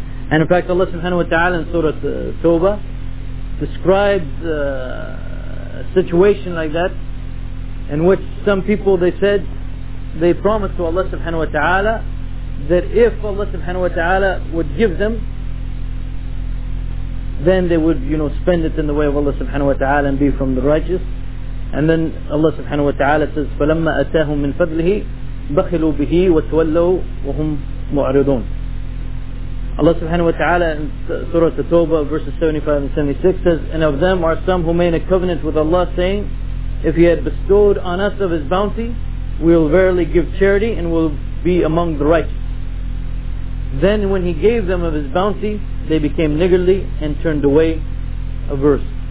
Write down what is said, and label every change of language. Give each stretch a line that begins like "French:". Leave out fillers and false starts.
English: And in fact, Allah subhanahu wa ta'ala in Surah Tawbah describes a situation like that, in which some people, they said, they promised to Allah subhanahu wa ta'ala that if Allah subhanahu wa ta'ala would give them, then they would, you know, spend it in the way of Allah subhanahu wa ta'ala and be from the righteous. And then Allah subhanahu wa ta'ala says,
Arabic: فَلَمَّا أَتَاهُمْ مِنْ فَضْلِهِ بَخِلُوا بِهِ وَتَوَلَّوا وَهُمْ مُعْرِضُونَ.
English: Allah subhanahu wa ta'ala in Surah At-Tawbah verses 75 and 76 says, and of them are some who made a covenant with Allah saying, if He had bestowed on us of His bounty, we will verily give charity and will be among the righteous. Then when He gave them of His bounty, they became niggardly and turned away averse.